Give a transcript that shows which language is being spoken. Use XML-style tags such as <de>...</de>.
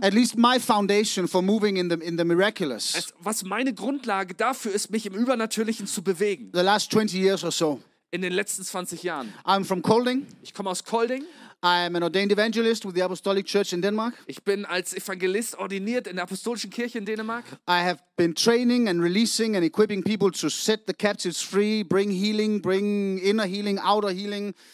<en>at least my foundation for moving in the miraculous,</en> <de>was meine Grundlage dafür ist, mich im Übernatürlichen zu bewegen.</de> <en>The last 20 years or so.</en> <de>In den letzten 20 Jahren.</de> <en>I'm from Kolding.</en> <de>Ich komme aus Kolding.</de> <en>I am an ordained evangelist with the Apostolic Church in Denmark.</en> <de>Ich bin als Evangelist ordiniert in der Apostolischen Kirche in Dänemark.</de> <en>I have been training and releasing and equipping people to set the captives free, bring healing, bring inner healing, outer healing.</en>